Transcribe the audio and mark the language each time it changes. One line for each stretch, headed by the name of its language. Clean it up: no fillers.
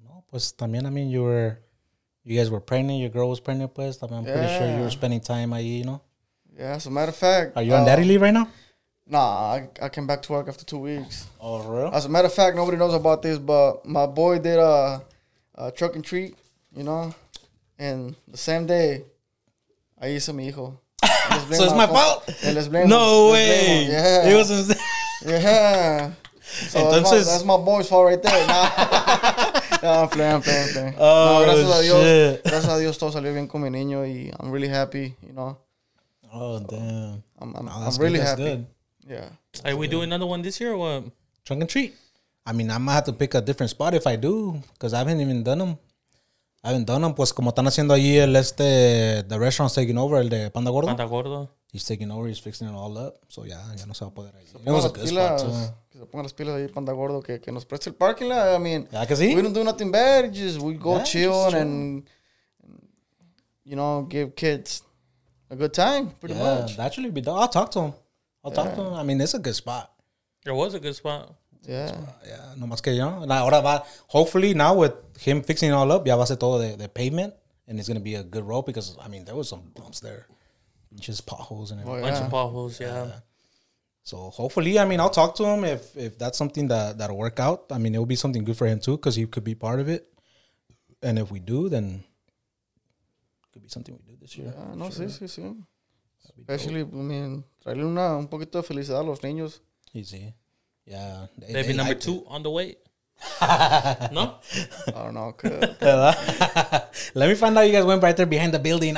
Spanish: Pues también,
English: I mean, you guys were pregnant, your girl was pregnant,
Spanish: pues.
English: I mean, I'm pretty sure you were spending time
Spanish: ahí,
English: you know? Yeah, as a matter of fact. Are you on daddy leave right now? Nah, I came back to work after 2 weeks. Oh, real? As a matter of fact, nobody knows about this, but my boy did a truck and treat, you know? And the same day,
Spanish: ahí hizo mi hijo.
English: So it's my fault? Les blame no him. Way. Yeah. It was his. Yeah. So
Spanish: entonces,
English: that's my boy's fault right there. Nah. Nah, playing. Oh, no,
Spanish: gracias
English: shit.
Spanish: A Dios, gracias a Dios, todo salió bien con mi niño, y
English: I'm really happy, you know. Oh, so damn. I'm really that's happy. Good. Yeah. Are we doing another one this year or what? Trunk and treat. I mean, I might have to pick a different spot if I do, because I haven't even done them.
Spanish: Pues como están haciendo allí
English: the restaurant's taking over,
Spanish: el de Panda Gordo. Panda Gordo.
English: He's taking over, he's fixing it all up.
Spanish: So, ya no se va a poder ahí.
English: It was a good spot, too.
Spanish: Que se pongan las pilas ahí, Panda Gordo, que nos preste el parking lot.
English: I mean,
Spanish: yeah, que sí.
English: We don't do nothing bad. Just we go chill and, you know, give kids a good time, pretty much. Yeah, actually, I'll talk to him. I'll talk to him. I mean, it's a good spot. It was a good spot. Yeah.
Spanish: No más que yo. Ahora va,
English: hopefully, now with him fixing it all up,
Spanish: ya va a ser todo de pavement.
English: And it's going to be a good road because, I mean, there was some bumps there. Just potholes and everything. Bunch of potholes, yeah. So hopefully, I mean, I'll talk to him if that's something that'll work out. I mean, it'll be something good for him too, because he could be part of it. And if we do, then it could be something we do this year. No, sure.
Spanish: sí.
English: Especially, dope.
Spanish: I mean, traerle un poquito de felicidad a los niños.
English: Easy. Yeah. Maybe number two on the way. No? I don't know. Cause. Let me find out you guys went right there behind the building.